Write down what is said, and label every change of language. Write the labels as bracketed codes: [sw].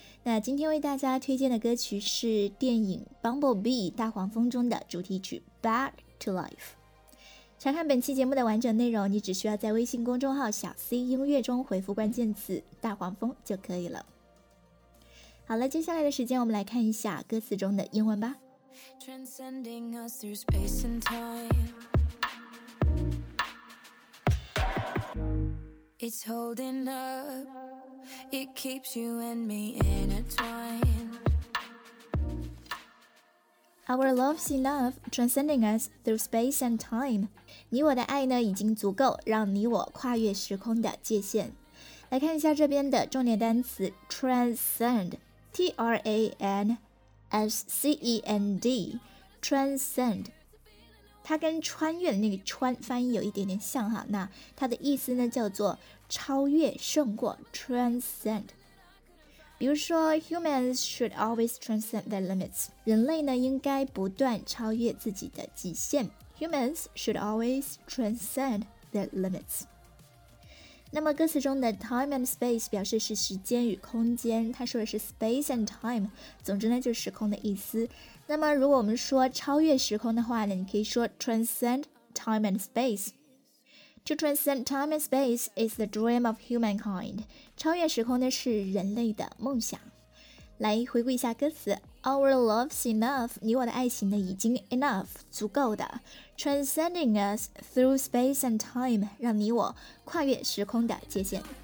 [zh] 那今天为大家推荐的歌曲是电影 Bumblebee 大黄蜂中的主题曲 Back to Life。查看本期节目的完整内容，你只需要在微信公众号小 C 音乐中回复关键词大黄蜂就可以了。好了，接下来的时间我们来看一下歌词中的英文吧。 [en] Transcending us through space and time It's holding up. It keeps you and me intertwined. Our love's enough, transcending us through space and time. [zh] 你我的爱呢，已经足够让你我跨越时空的界限。来看一下这边的重点单词 transcend, T-R-A-N-S-C-E-N-D, transcend。它跟穿越的那个穿翻译有一点点像哈，那它的意思呢叫做超越胜过 transcend。比如说 humans should always transcend their limits, 人类呢应该不断超越自己的极限。 [en] Humans should always transcend their limits. [zh] 那么歌词中的 time and space 表示是时间与空间，它说的是 space and time, 总之呢就是时空的意思。那么如果我们说超越时空的话呢，你可以说 transcend time and space. [en] To transcend time and space is the dream of humankind. [zh] 超越时空呢是人类的梦想。来回顾一下歌词。 Our love's enough, 你我的爱情呢已经 enough, 足够的。 Transcending us through space and time, 让你我跨越时空的界限。